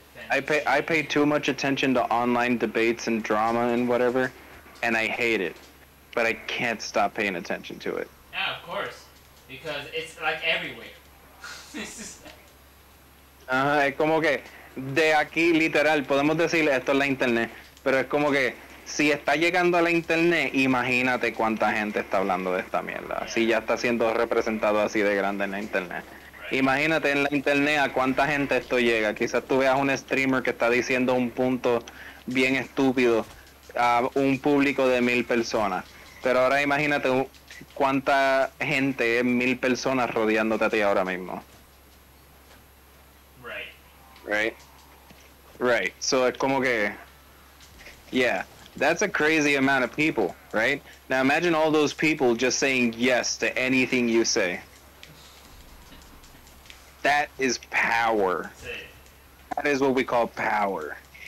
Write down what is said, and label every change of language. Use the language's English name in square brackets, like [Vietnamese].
[English] I pay too much attention to online debates and drama and whatever, and I hate it. But I can't stop paying attention to it. Yeah, of course. Because it's like everywhere. [Spanish] Es como que de aquí, literal, podemos decir esto es la internet. Pero es como que si está llegando a la internet, imagínate cuánta gente está hablando de esta mierda. [English] Yeah. [Spanish] Si ya está siendo representado así de grande en la internet. [English] Right. [Spanish] Imagínate en la internet a cuánta gente esto llega. Quizás tú veas un streamer que está diciendo un punto bien estúpido a un público de 1,000 personas. Pero ahora imagínate cuánta gente, 1,000 personas rodeándote a ti ahora mismo. [English] Right. So it's [Spanish] como que, [English] yeah, that's a crazy amount of people, right? Now imagine all those people just saying yes to anything you say. That is power. That is what we call power.